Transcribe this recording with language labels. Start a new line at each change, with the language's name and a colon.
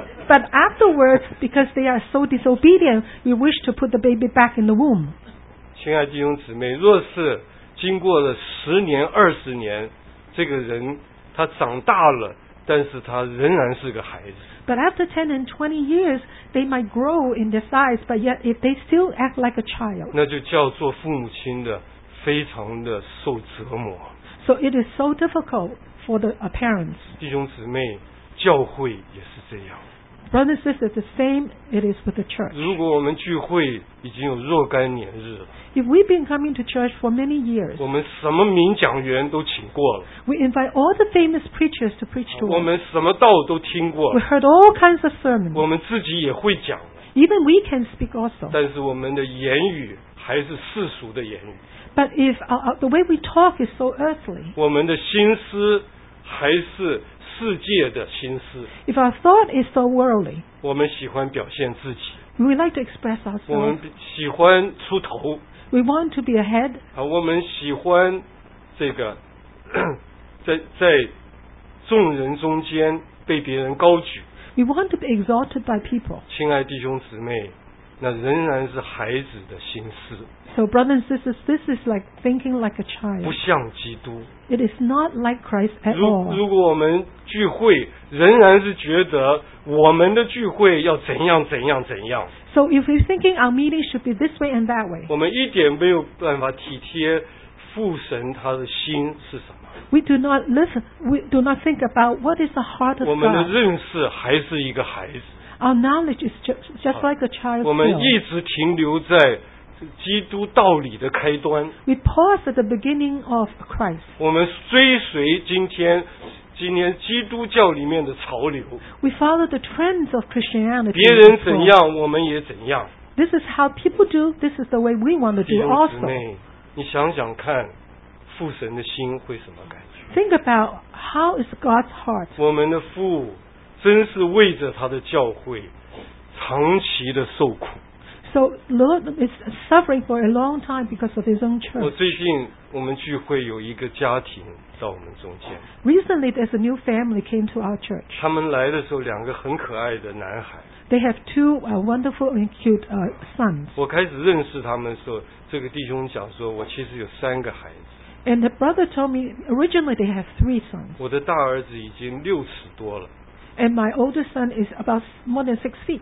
English: But afterwards, because they are so disobedient, we wish to put the baby back in the womb.
Chinese: 亲爱的弟兄姊妹，若是经过了十年、二十年，这个人。他长大了，但是他仍然是个孩子。
English: But after 10 and 20 years, they might grow in their size, but yet if they still act like a child.
Chinese: 那就叫做父母亲的非常的受折磨。
English: So it is so difficult for the parents.
Chinese: 弟兄姊妹，教会也是这样。
English: Brothers and sisters, the same it is with the church.
Chinese: 如果我们聚会已经有若干年日了。
English: If we've been coming to church for many years.
Chinese: 我们什么名讲员都请过了。
English: We invite all the famous preachers to preach to us.
Chinese: 我们什么道都听过了。
English: We heard all kinds of sermons.
Chinese: 我们自己也会讲。
English: Even we can speak also.
Chinese: 但是我们的言语还是世俗的言语。
English: But if the way we talk is so earthly.
Chinese: 我们的心思还是世界的心思。
English: If our thought is so worldly,
Chinese: 我们喜欢表现自己。
English: We like to express ourselves.
Chinese: 我们喜欢出头。
English: We want to be ahead.
Chinese: 我们喜欢这个在众人中间被别人高举。
English: We want to be exalted by people.
Chinese: 亲爱弟兄姊妹，那仍然是孩子的心思。
English: So brothers and sisters, this is like thinking like a child.
Chinese: 不像基督。
English: It is not like Christ at all.
Chinese: 如果我们聚会仍然是觉得我们的聚会要怎样怎样怎样。
English: So if we're thinking our meeting should be this way and that way.
Chinese: 我们一点没有办法体贴父神他的心是什么。
English: We do not think about what is the heart of God.
Chinese: 我们的认识还是一个孩子。
English: Our knowledge is just like a child.
Chinese: 我们一直停留在基督道理的开端。
English: We pause at the beginning of Christ.
Chinese: 我们追随今天基督教里面的潮流。
English: We follow the trends of Christianity.
Chinese: 别人怎样，我们也怎样。
English: This is how people do. This is the way we want to do also.
Chinese: 弟兄姊妹，你想想看，父神的心会什么感觉
English: ？Think about how is God's heart.
Chinese: 我们的父真是为着他的教会长期的受苦。
English: So Lord is suffering for a long time because of his own church.
Chinese: 我最近我们聚会有一个家庭到我们中间。
English: Recently there's a new family came to our church.
Chinese: 他们来的时候两个很可爱的男孩。
English: They have two wonderful and cute sons.
Chinese: 我开始认识他们的时候，这个弟兄讲说我其实有三个孩子。
English: And the brother told me originally they have three sons.
Chinese: 我的大儿子已经六尺多了。
English: And my older son is about more than 6 feet.